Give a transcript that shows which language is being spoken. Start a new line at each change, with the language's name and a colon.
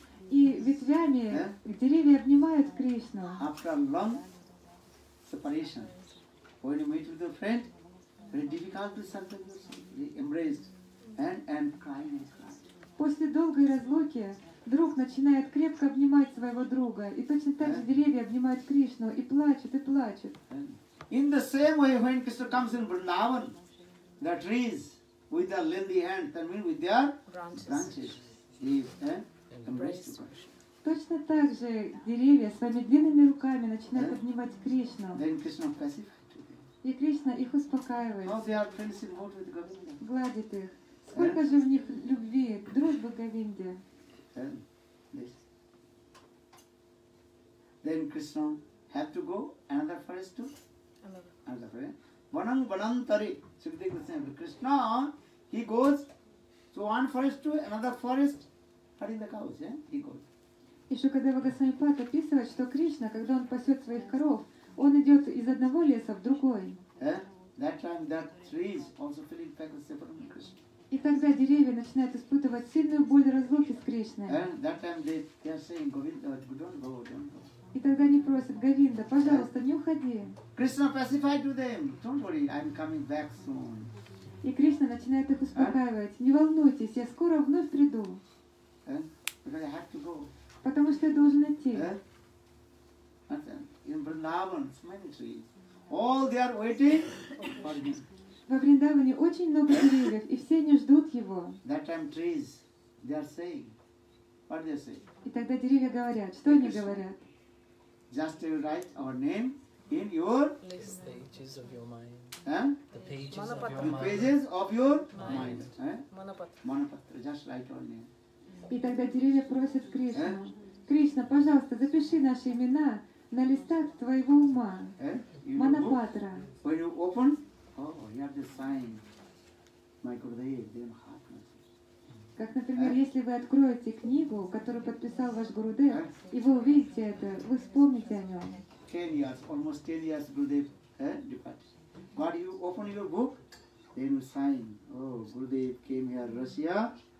Russian: И ветвями деревья обнимают Кришну.
English: After a long separation, when you meet with a friend, very difficult to be embraced and crying.
Russian: После долгой разлуки друг начинает крепко обнимать своего друга, и точно так же деревья обнимают Кришну и плачут, и плачут.
English: In the same way, when Krishna comes in Vrindavan, the trees with their lengthy hands, that means with their branches, he embraces Krishna.
Russian: Точно так же деревья своими длинными руками начинают обнимать Кришну.
English: Then Krishna pacifies them.
Russian: И Кришна их успокаивает.
English: How they are friends in love with Govinda.
Russian: Гладит их. Сколько же в них любви, дружбы Говинде.
English: Then Krishna had to go another forest to another forest. Vanam vanantari. Sukadeva Goswami. Krishna, he goes to one forest to another forest, herding the cows. He goes.
Russian: И Шукадева Госвами Пад описывает, что Кришна, когда он пасет своих коров, он идет из одного леса в другой.
English: That time that trees also feeling pain with separation Krishna.
Russian: И тогда деревья начинают испытывать сильную боль разлуки с Кришной.
English: That time they are saying, Govinda, don't go, don't go.
Russian: И тогда они просят, Говинда, пожалуйста, не уходи.
English: Krishna pacified to them. Don't worry, I'm coming back soon.
Russian: И Кришна начинает их успокаивать. Не волнуйтесь, я скоро вновь приду.
English: Because I have to go.
Russian: Потому что я должен идти.
English: In Vrindavan, so many trees. All they are waiting for him.
Russian: Во Вриндаване очень много деревьев, и все они ждут его.
English: That time trees, they are saying. What they say?
Russian: И тогда деревья говорят, что они говорят?
English: Just to write our name in your pages of your mind. The pages of your mind. The pages of your mind. Manapatra. Just write our name.
Russian: И тогда деревья просят Кришну. Кришна, пожалуйста, запиши наши имена на листах твоего ума. Манапатра.
English: When you open, oh, you have the sign. My Gurudev, they are happy.
Russian: Как, например, если вы откроете книгу, которую подписал ваш Гурудев, и вы увидите это, вы вспомните о нем.
English: 10 years, almost 10 years, Gurudev departed. But you open your book, then you sign. Oh, Gurudev came here, Russia.